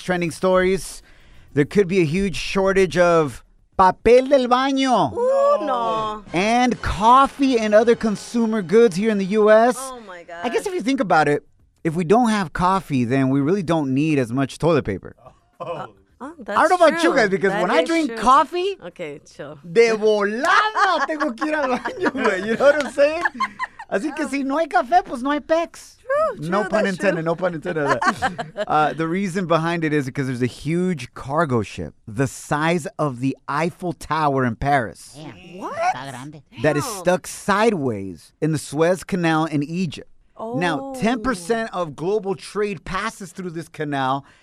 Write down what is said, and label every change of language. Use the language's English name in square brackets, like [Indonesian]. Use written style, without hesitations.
[English] Trending stories. There could be a huge shortage of [Spanish] papel del baño. [English] Ooh, no. And coffee and other consumer goods here in the U.S. Oh, my God. I guess if you think about it, if we don't have coffee, then we really don't need as much toilet paper. That's I don't know true. About you guys, because that when I drink true. Coffee, okay, chill. [Spanish] De volada tengo que ir al baño, güey. [English] You know what I'm saying? [Spanish] Así que si no hay café, pues no hay pex. [English] True, no pun intended, No pun intended. The reason behind it is because there's a huge cargo ship the size of the Eiffel Tower in Paris. Damn. What? That is stuck sideways in the Suez Canal in Egypt. Oh. Now, 10% of global trade passes through this canal.